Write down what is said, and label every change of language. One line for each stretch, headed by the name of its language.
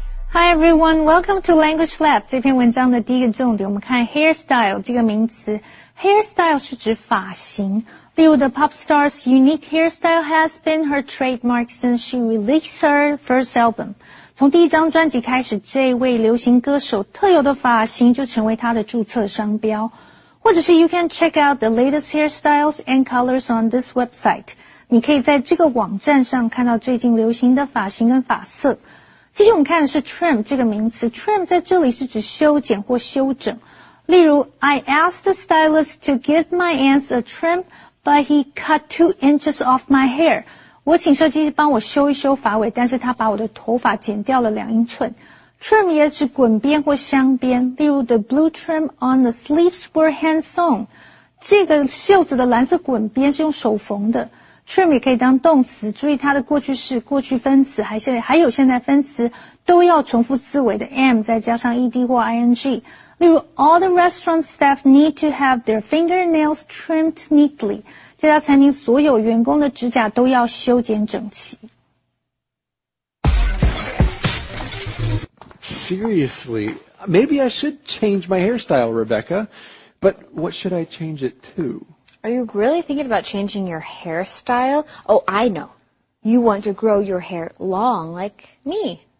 English: Hi everyone, welcome to Language Lab.
Chinese: 这篇文章的第一个重点，我们看 hairstyle 这个名词。 Hairstyle 是指发型。例如
English: the pop star's unique hairstyle has been her trademark since she released her first album.
Chinese: 从第一张专辑开始，这位流行歌手特有的发型就成为她的注册商标。或者是
English: you can check out the latest hairstyles and colors on this website.
Chinese: 你可以在这个网站上看到最近流行的发型跟发色。其实我们看的是 trim 这个名词， trim 在这里是指修剪或修整。例如
English: I asked the stylist to give my aunts a trim,But he cut 2 inches off my hair.
Chinese: 我请设计师帮我修一修发尾，但是他把我的头发剪掉了2英寸。
English: Trim
Chinese: 也指滚边或镶边，例如
English: the blue trim on the sleeves were hand sewn.
Chinese: 这个袖子的蓝色滚边是用手缝的。 Trim 也可以当动词，注意它的过去式、过去分词还有现在分词都要重复字尾的 m 再加上 ed 或 ing。例如
English: all the restaurant staff need to have their fingernails trimmed neatly.
Chinese: 这家餐厅所有员工的指甲都要修剪整齐。
English: Seriously, maybe I should change my hairstyle, Rebecca. But what should I change it to? Are you really thinking about changing your hairstyle? Oh, I know. You want to grow your hair long like me.